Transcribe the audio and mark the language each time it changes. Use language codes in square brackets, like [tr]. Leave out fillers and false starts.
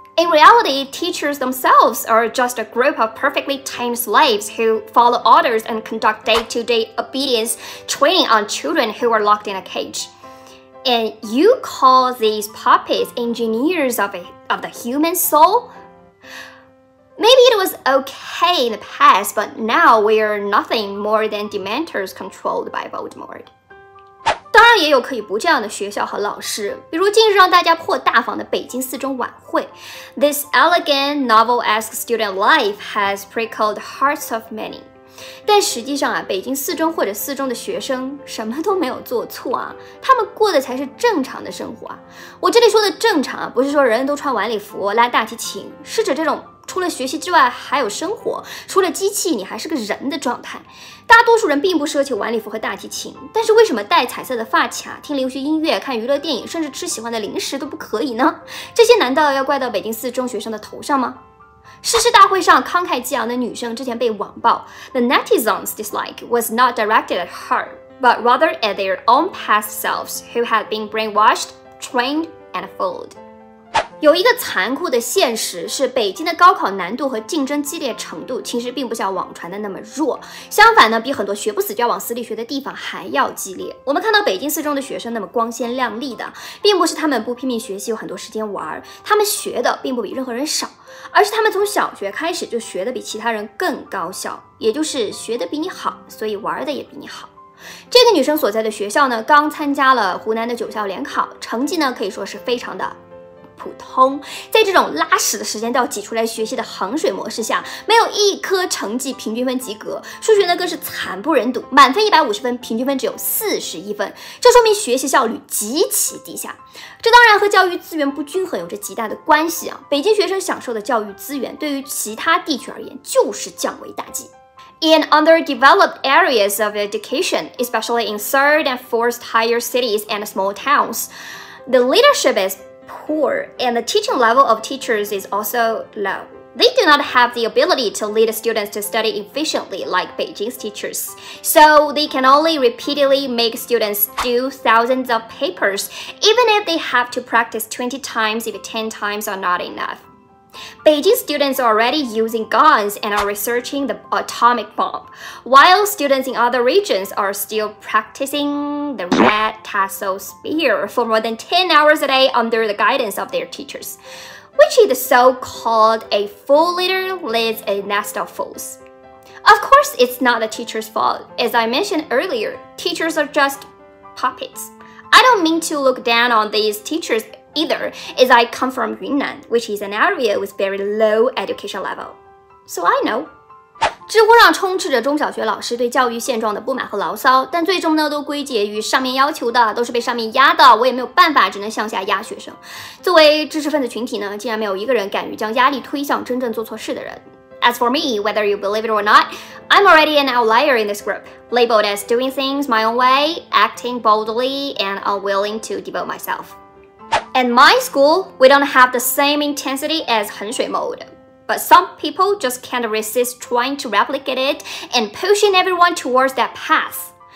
[en] In reality, teachers themselves are just a group of perfectly tamed slaves who follow orders and conduct day-to-day obedience training on children who are locked in a cage. And you call these puppets engineers of the human soul? Maybe it was okay in the past, but now we're nothing more than dementors controlled by Voldemort. [zh] 当然也有可以不这样的学校和老师，比如近日让大家破大防的北京四中晚会。 [en] This elegant, novel-esque student life has prickled hearts of many. [zh] 但实际上啊，北京四中或者四中的学生什么都没有做错啊，他们过的才是正常的生活啊。我这里说的正常啊，不是说人人都穿晚礼服、拉大提琴，是指这种除了学习之外还有生活，除了机器你还是个人的状态。大多数人并不奢求晚礼服和大提琴，但是为什么戴彩色的发卡、听流行音乐、看娱乐电影，甚至吃喜欢的零食都不可以呢？这些难道要怪到北京四中学生的头上吗？誓师大会上慷慨激昂的女生之前被网暴， [en] The netizens dislike was not directed at her, but rather at their own past selves who had been brainwashed, trained and fooled. [zh] 有一个残酷的现实是，北京的高考难度和竞争激烈程度其实并不像网传的那么弱，相反呢，比很多学不死就要往死里学的地方还要激烈。我们看到北京四中的学生那么光鲜亮丽的，并不是他们不拼命学习有很多时间玩，他们学的并不比任何人少，而是他们从小学开始就学的比其他人更高效，也就是学的比你好，所以玩的也比你好。这个女生所在的学校呢，刚参加了湖南的九校联考，成绩呢可以说是非常的普通，在这种拉屎的时间都要挤出来学习的衡水模式下，没有一科成绩平均分及格，数学呢更是惨不忍睹，满分150分，平均分只有41分，这说明学习效率极其低下。这当然和教育资源不均衡有着极大的关系啊。北京学生享受的教育资源对于其他地区而言就是降维打击。 [en] In underdeveloped areas of education, especially in third and fourth tier cities and small towns, the leadership is poor, and the teaching level of teachers is also low. They do not have the ability to lead students to study efficiently like Beijing's teachers. So they can only repeatedly make students do thousands of papers, even if they have to practice 20 times if 10 times are not enough. Beijing students are already using guns and are researching the atomic bomb, while students in other regions are still practicing the red tassel spear for more than 10 hours a day under the guidance of their teachers, which is so-called a fool leader leads a nest of fools. Of course, it's not the teacher's fault. As I mentioned earlier, teachers are just puppets. I don't mean to look down on these teachers,either, as I come from Yunnan, which is an area with very low education level. So I know. [zh] 知乎上充斥着中小学老师对教育现状的不满和牢骚，但最终呢，都归结于上面要求的，都是被上面压的，我也没有办法，只能向下压学生。作为知识分子群体呢，竟然没有一个人敢于将压力推向真正做错事的人。 [en] As for me, whether you believe it or not, I'm already an outlier in this group, labeled as doing things my own way, acting boldly, and unwilling to devote myself. At my school, we don't have the same intensity as 衡水 mode. But some people just can't resist trying to replicate it and pushing everyone towards that path.